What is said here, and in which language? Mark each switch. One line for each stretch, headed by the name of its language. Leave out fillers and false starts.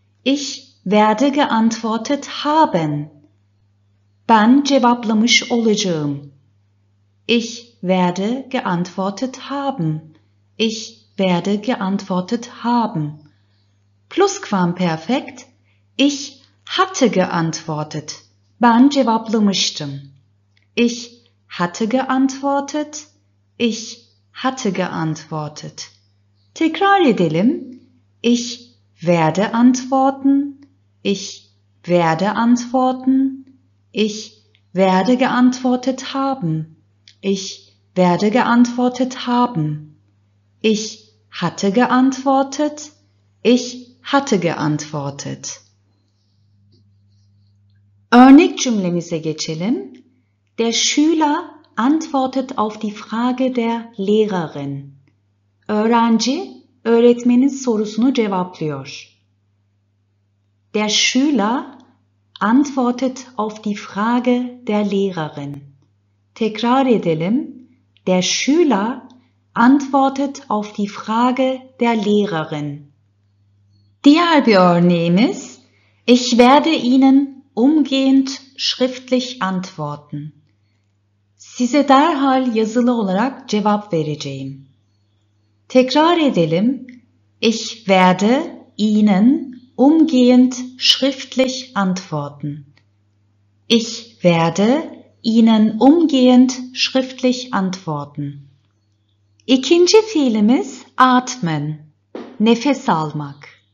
German: Ich werde geantwortet haben.
Turkish: Ben cevaplamış olacağım.
German: Ich werde geantwortet haben. Ich werde geantwortet haben. Plusquamperfekt. Ich hatte geantwortet.
Turkish: Ben cevaplamıştım.
German: Ich hatte geantwortet. Ich hatte geantwortet.
Turkish: Tekrar edelim.
German: Ich werde antworten. Ich werde antworten. Ich werde geantwortet haben. Ich werde geantwortet haben. Ich hatte geantwortet. Ich hatte geantwortet.
Turkish: Örnek cümlemize geçelim.
German: Der Schüler antwortet auf die Frage der Lehrerin.
Turkish: Öğrenci, öğretmenin sorusunu cevaplıyor.
German: Der Schüler antwortet auf die Frage der Lehrerin.
Turkish: Tekrar edelim.
German: Der Schüler antwortet auf die Frage der Lehrerin.
Turkish: Diğer bir örneğimiz.
German: Ich werde Ihnen umgehend schriftlich antworten.
Turkish: Size derhal yazılı olarak cevap vereceğim. Tekrar edelim.
German: Ich werde Ihnen umgehend schriftlich antworten. Ich werde Ihnen umgehend schriftlich antworten.
Turkish: İkinci fiilimiz atmen. Nefes almak.